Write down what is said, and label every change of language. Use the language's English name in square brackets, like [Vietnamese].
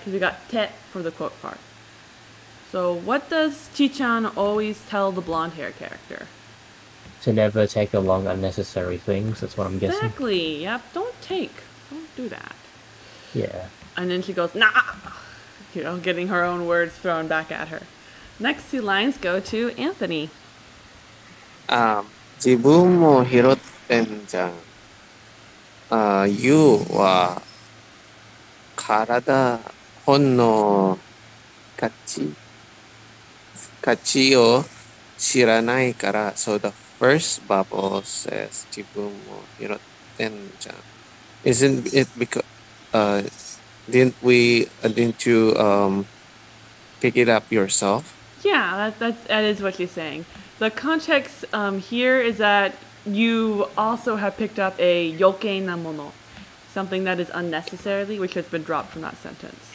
[English] Because we got te for the quote part. So what does Chi-chan always tell the blonde hair character? To never take along unnecessary things, that's what I'm guessing. Exactly, yep. Don't do that. Yeah. And then she goes, nah! You know, getting her own words thrown back at her. Next two lines go to Anthony. [Japanese] 自分も拾ってんじゃん。湯は体本の価値を知らないから。 [English] So the first bubble says [Japanese] 自分も拾ってんじゃん。 [English] Isn't it because didn't you pick it up yourself? Yeah, that is what she's saying. The context here is that you also have picked up a [Japanese] yokei na mono, [English] something that is unnecessarily, which has been dropped from that sentence.